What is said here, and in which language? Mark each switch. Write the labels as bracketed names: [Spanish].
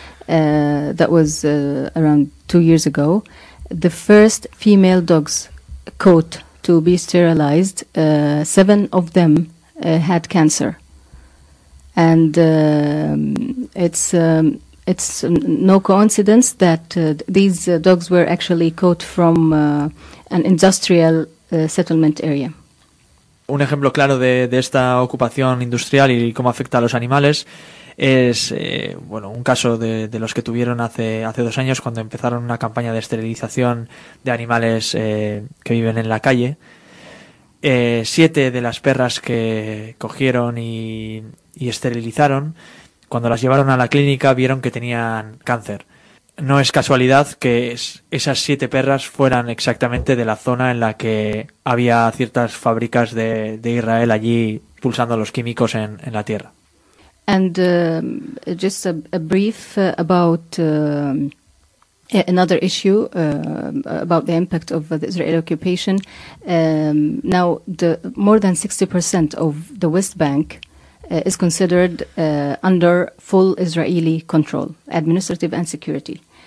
[English] That was around 2 years ago. The first female dogs caught to be sterilized, seven of them had cancer. And it's no coincidence that these dogs were actually caught from an industrial settlement area. [Spanish] Un ejemplo claro de esta ocupación industrial y cómo afecta a los animales es un caso de los que tuvieron hace 2 años cuando empezaron una campaña de esterilización de animales que viven en la calle. 7 de las perras que cogieron y esterilizaron, cuando las llevaron a la clínica, vieron que tenían cáncer. No es casualidad que esas 7 perras fueran exactamente de la zona en la que había ciertas fábricas de Israel allí pulsando los químicos en la tierra. [English] And just a brief about another issue about the impact of the Israeli occupation. Now, the more than 60% of the West Bank is considered under full Israeli control, administrative and security.